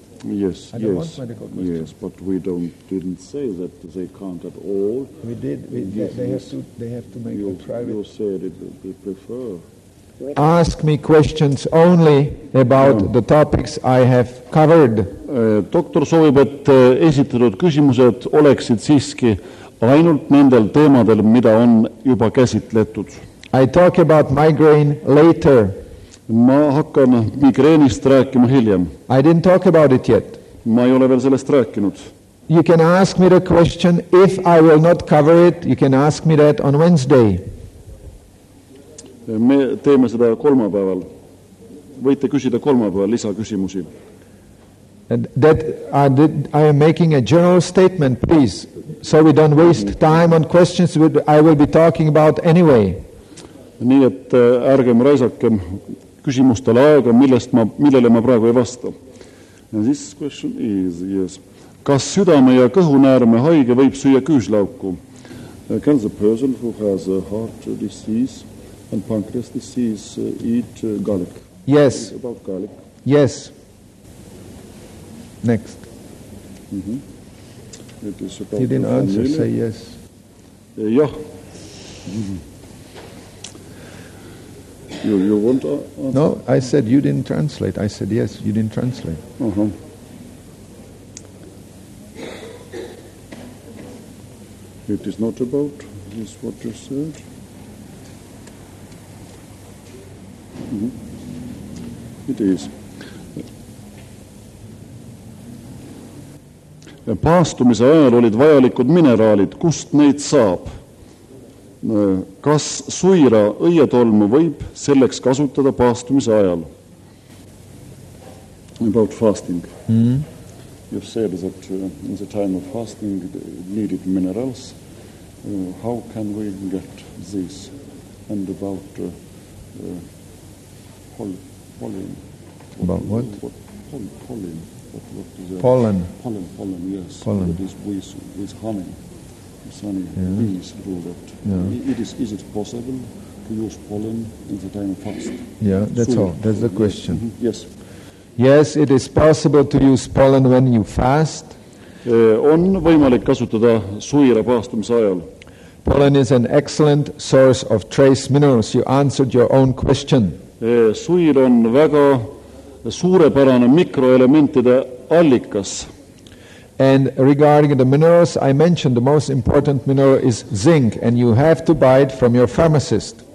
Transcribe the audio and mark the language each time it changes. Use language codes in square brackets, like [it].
[en] Yes, I don't want medical questions. Yes, but we didn't say that they can't at all. We did. They have to make you, a private. You said it, they prefer. Ask me questions only about the topics I have covered. [et] Doktor soovib, et esitatud küsimused oleksid siiski ainult nendel teemadel, mida on juba käsitletud. [en] I talk about migraine later. [et] Ma hakkan migreenist rääkima hiljem. [en] I didn't talk about it yet. [et] Ma ei ole veel sellest rääkinud. [en] You can ask me the question if I will not cover it. You can ask me that on Wednesday. [et] Me teeme seda kolmapäeval. Võite küsida kolmapäeval lisaküsimusi. [en] And I am making a general statement, please, so we don't waste time on questions which I will be talking about anyway. [et] Nii et ärgem raisakem küsimustele aega, millele ma praegu ei vasta. [en] And this question is, yes. [et] Kas südame ja kõhunäärme haige võib süüa küüslauku? [en] Can the person who has a heart disease and pancreas disease eat garlic? Yes. About garlic? Yes. Next. It is about you didn't answer, family. Say yes. Yeah. You won't answer? No, I said you didn't translate. I said yes, you didn't translate. It is not about this what you said. It is. [et] Paastumise ajal olid vajalikud mineraalid. Kust neid saab? Kas suira õietolmu võib selleks kasutada paastumise ajal? [en] About fasting. You said that in the time of fasting needed minerals. How can we get this and about pollen? About what? Pollen. What is that? Pollen. Pollen, yes. Pollen. It is with honey. It's honey. Yeah. Bees do that. Yeah. Is it possible to use pollen in the time of fast? Yeah, that's so, all. That's the question. Mm-hmm. Yes. Yes, it is possible to use pollen when you fast. [et] On võimalik kasutada suira paastumise ajal. [en] Pollen is an excellent source of trace minerals. You answered your own question. [et] Suir on väga suurepärane mikroelementide allikas. [en] And regarding the minerals, I mentioned the most important mineral is zinc, and you have to buy it from your pharmacist.